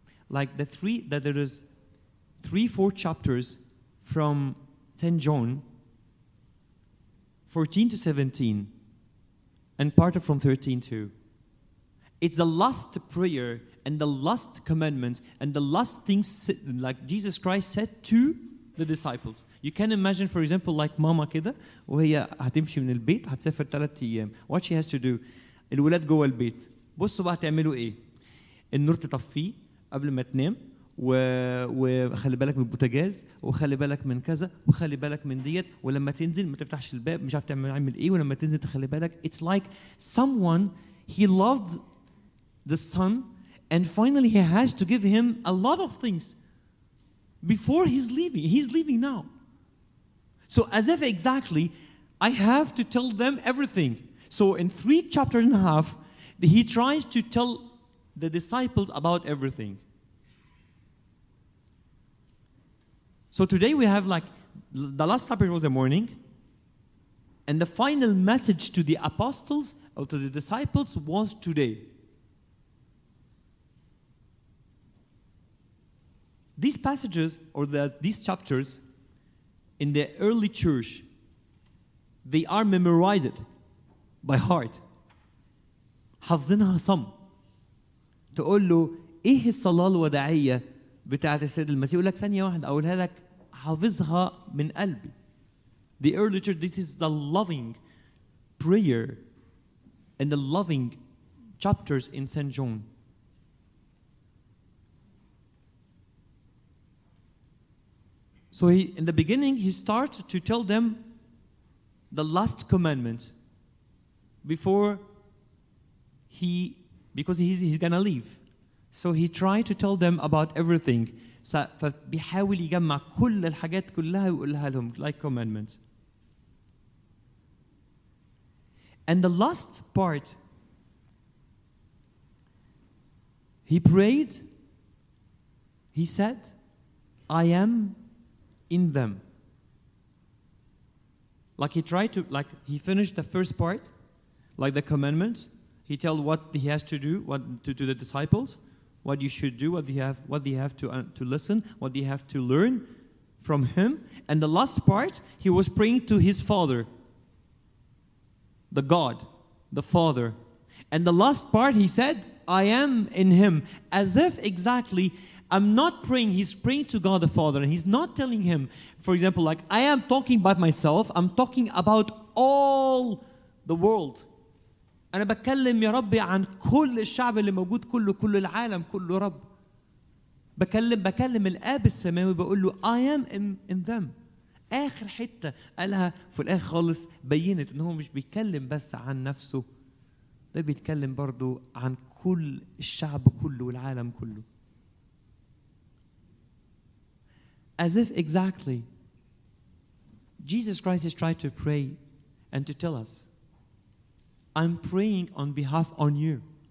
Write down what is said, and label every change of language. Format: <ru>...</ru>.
<en>Like there is three, four chapters from 10 John, 14 to 17, and part of from 13 to. It's the last prayer and the last commandment and the last thing like Jesus Christ said to the disciples. You can imagine, for example, like</en> <ar>mama kida, وهي هتمشي من البيت هتسافر ثلاثة أيام.</ar> <en>What she has to do?</en> <ar>الولاد جوا البيت. بصوا بقى تعملوا إيه؟ النور تطفي قبل ما تنام وخلي بالك من البوتاجاز وخلي بالك من كذا وخلي بالك من ديت ولما تنزل ما تفتحش الباب مش عارف تعمل إيه ولما تنزل تخلي بالك.</ar> <en>It's like someone he loved the son, and finally he has to give him a lot of things before he's leaving. He's leaving now. So as if exactly, I have to tell them everything. So in 3.5 chapters, he tries to tell the disciples about everything. So today we have like the last supper of the morning, and the final message to the apostles or to the disciples was today. These passages or these chapters in the early church, they are memorized by heart.</en> <ar>حفظينها صم. تقول له ايه الصلاة الوداعية بتاعت السيد المسيح؟ يقول لك ثانية واحدة اقولها لك حافظها من قلبي.</ar> <en>The early church, this is the loving prayer and the loving chapters in St. John. So he, in the beginning, he starts to tell them the last commandment before he, because he's going to leave. So he tried to tell them about everything.</en> <ar>فبيحاول يجمع كل الحاجات كلها ويقولها لهم,</ar> <en>like commandments. And the last part, he prayed, he said, I am in them. Like he tried to, like he finished the first part, like the commandments. He told what he has to do, what to the disciples, what you should do, what you have to listen, what you have to learn from him. And the last part, he was praying to his Father, the God, the Father. And the last part, he said, I am in him. As if exactly, I'm not praying. He's praying to God the Father. And he's not telling him, for example, like, I am talking about myself. I'm talking about all the world.</en> <ar>أنا بكلم يا ربي عن كل الشعب اللي موجود كله كل العالم كله رب بكلم الآب السماوي بقول له</ar> <en>I am in them.</en> <ar>آخر حتة قالها في الآخر خالص بينت إن هو مش بيتكلم بس عن نفسه ده بيتكلم برضو عن كل الشعب كله والعالم كله</ar> <en>as if exactly Jesus Christ is trying to pray and to tell us I'm praying on behalf on you.</en>